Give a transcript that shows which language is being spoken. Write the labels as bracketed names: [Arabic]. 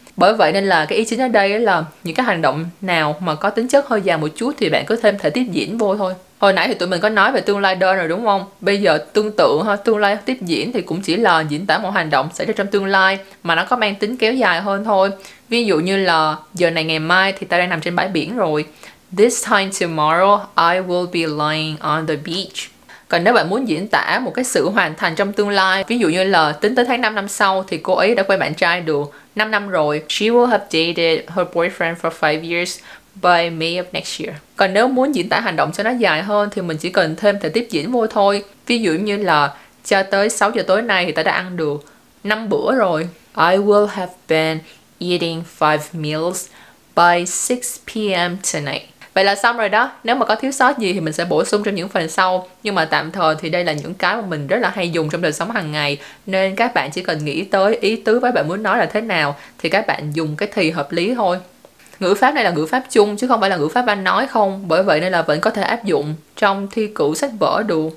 [Vietnamese] Bởi vậy nên là cái ý chính ở đây là những cái hành động nào mà có tính chất hơi dài một chút thì bạn cứ thêm thể tiếp diễn vô thôi. Hồi nãy thì tụi mình có nói về tương lai đơn rồi đúng không? Bây giờ tương tự ha, tương lai tiếp diễn thì cũng chỉ là diễn tả một hành động xảy ra trong tương lai mà nó có mang tính kéo dài hơn thôi. Ví dụ như là giờ này ngày mai thì ta đang nằm trên bãi biển rồi. [English] This time tomorrow I will be lying on the beach. [Vietnamese] Còn nếu bạn muốn diễn tả một cái sự hoàn thành trong tương lai, ví dụ như là tính tới tháng 5 năm sau thì cô ấy đã quen bạn trai được 5 năm rồi. [English] She will have dated her boyfriend for 5 years by May of next year. [Vietnamese] Còn nếu muốn diễn tả hành động cho nó dài hơn thì mình chỉ cần thêm thể tiếp diễn vô thôi. Ví dụ như là cho tới 6 giờ tối nay thì ta đã ăn được 5 bữa rồi. [English] I will have been eating 5 meals by 6 p.m. tonight. [Vietnamese] Vậy là xong rồi đó, nếu mà có thiếu sót gì thì mình sẽ bổ sung trong những phần sau. Nhưng mà tạm thời thì đây là những cái mà mình rất là hay dùng trong đời sống hàng ngày. Nên các bạn chỉ cần nghĩ tới ý tứ với bạn muốn nói là thế nào thì các bạn dùng cái thì hợp lý thôi. Ngữ pháp này là ngữ pháp chung chứ không phải là ngữ pháp anh nói không. Bởi vậy nên là vẫn có thể áp dụng trong thi cử sách vở được.